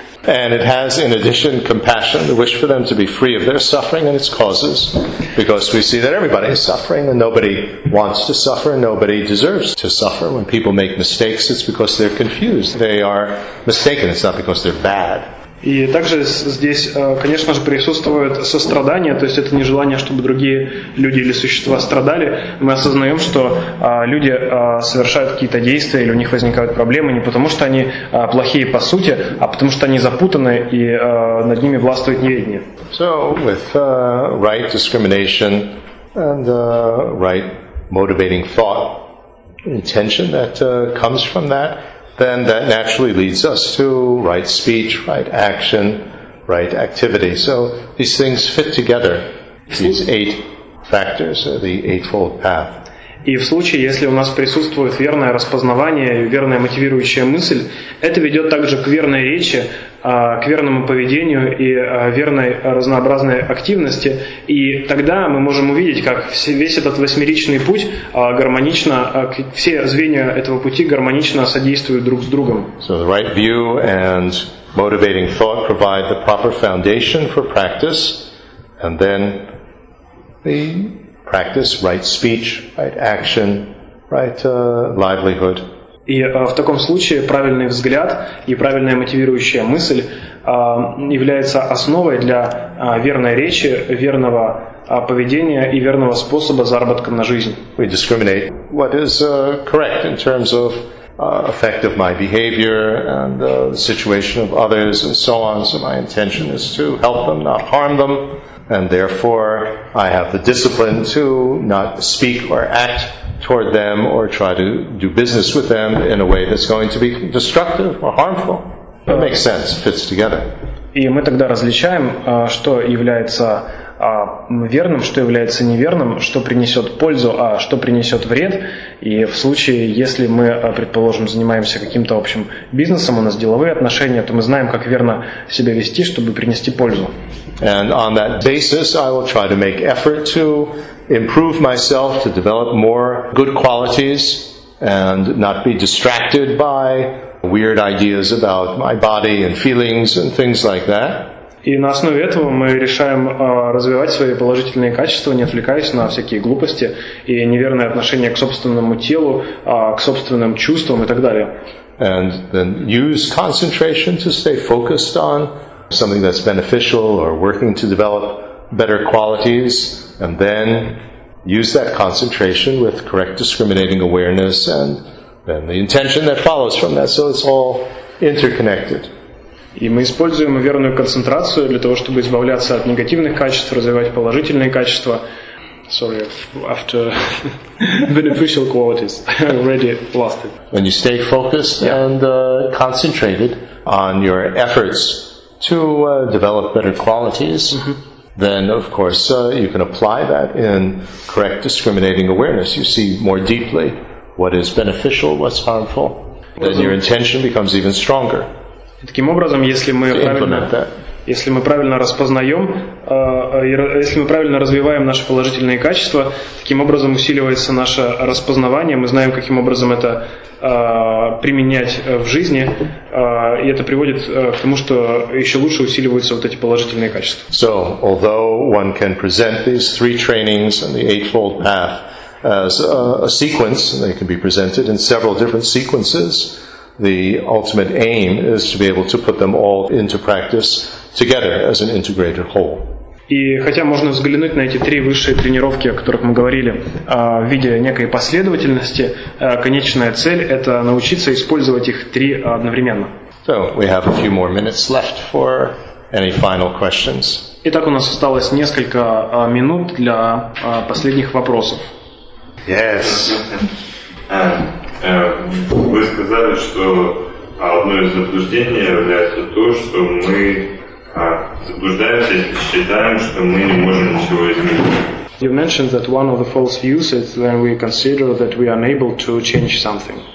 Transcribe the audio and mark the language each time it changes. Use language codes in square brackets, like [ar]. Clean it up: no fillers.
[en] And it has, in addition, compassion, the wish for them to be free of their suffering and its causes, because we see that everybody is suffering and nobody wants to suffer and nobody deserves to suffer. When people make mistakes, it's because they're confused. They are mistaken. It's not because they're bad. [ru] И также здесь, конечно же, присутствует сострадание, то есть это не желание, чтобы другие люди или существа страдали. Мы осознаем, что люди совершают какие-то действия или у них возникают проблемы не потому, что они плохие по сути, а потому что они запутаны и над ними властвует неведение. [en] So, with right discrimination and right motivating thought, intention that comes from that, then that naturally leads us to right speech, right action, right activity. So these things fit together, these eight factors, the eightfold path. [ru] И в случае, если у нас присутствует верное распознавание и верная мотивирующая мысль, это ведет также к верной речи, к верному поведению и верной разнообразной активности. И тогда мы можем увидеть, как весь этот восьмеричный путь гармонично, все звенья этого пути гармонично содействуют друг с другом. [en] So the right view and motivating thought provide the proper foundation for practice, and then the practice, right speech, right action, right livelihood. [ru] И в таком случае правильный взгляд и правильная мотивирующая мысль является основой для верной речи, верного поведения и верного способа заработка на жизнь. [en] We discriminate what is correct in terms of effect of my behavior and the situation of others and so on. So my intention is to help them, not harm them. And therefore, I have the discipline to not speak or act toward them or try to do business with them in a way that's going to be destructive or harmful. It makes sense, fits together. [ru] И мы тогда различаем, что является верным, что является неверным, что принесет пользу, а что принесет вред. И в случае, если мы, предположим, занимаемся каким-то общим бизнесом, у нас деловые отношения, то мы знаем, как верно себя вести, чтобы принести пользу. [en] And on that basis, I will try to make effort to improve myself, to develop more good qualities, and not be distracted by weird ideas about my body and feelings and things like that. [ru] И на основе этого мы решаем развивать свои положительные качества, не отвлекаясь на всякие глупости и неверное отношение к собственному телу, к собственным чувствам и так далее. [en] And then use concentration to stay focused on something that's beneficial or working to develop better qualities, and then use that concentration with correct discriminating awareness and then the intention that follows from that. So it's all interconnected. [ru] И мы используем верную концентрацию для того, чтобы избавляться от негативных качеств, развивать положительные качества. [en] Sorry, after beneficial qualities, I already lost it. When you stay focused and concentrated on your efforts to develop better qualities, then of course you can apply that in correct discriminating awareness. You see more deeply what is beneficial, what's harmful. Then your intention becomes even stronger. [ru] Таким образом, если мы правильно, если мы правильно распознаем, если мы правильно развиваем наши положительные качества, таким образом усиливается наше распознавание, мы знаем, каким образом это применять в жизни, и это приводит к тому, что еще лучше усиливаются вот эти положительные качества. [en] So, although one can present these three trainings and the Eightfold Path as a sequence, they can be presented in several different sequences, the ultimate aim is to be able to put them all into practice together as an integrated whole. [ru] И хотя можно взглянуть на эти три высшие тренировки, о которых мы говорили, в виде некой последовательности, конечная цель — это научиться использовать их три одновременно. [en] So, we have a few more minutes left for any final questions. [ru] Итак, у нас осталось несколько минут для последних вопросов. [en] Yes. [ru] Вы сказали, что одно из заблуждений является то, что мы заблуждаемся, если считаем, что мы не можем ничего изменить. [en] You mentioned that one of the false views is when we consider that we are unable to change something.